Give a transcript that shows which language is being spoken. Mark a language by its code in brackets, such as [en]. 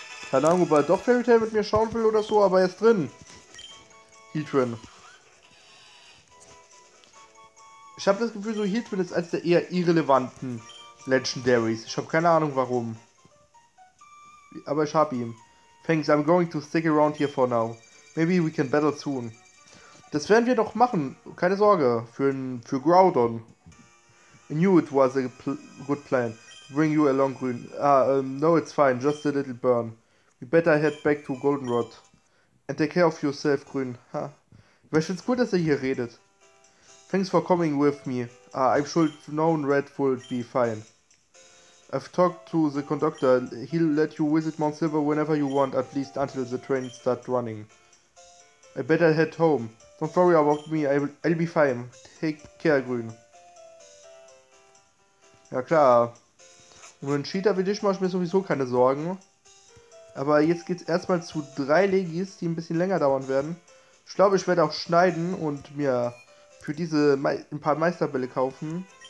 [de] Keine Ahnung, ob er doch Fairy Tail mit mir schauen will oder so, aber er ist drin. Heatran. Ich habe das Gefühl, so Heatran ist eines der eher irrelevanten Legendaries. Ich habe keine Ahnung warum. Aber ich habe ihn. [en] Thanks, I'm going to stick around here for now. Maybe we can battle soon. [de] Das werden wir doch machen, keine Sorge, für Groudon. [en] I knew it was a good plan to bring you along, Grün. No, it's fine, just a little burn. You better head back to Goldenrod. And take care of yourself, Grün. Ha. Huh. [de] Ich find's cool, dass er hier redet. [en] Thanks for coming with me. I'm sure no Red will be fine. I've talked to the conductor. He'll let you visit Mount Silver whenever you want, at least until the train starts running. I better head home. Don't worry about me, I'll be fine. Take care, Grün. [de] Ja klar. Um einen Cheater wie dich mache ich mir sowieso keine Sorgen. Aber jetzt geht's erstmal zu 3 Legis, die ein bisschen länger dauern werden. Ich glaube, ich werde auch schneiden und mir für diese ein paar Meisterbälle kaufen.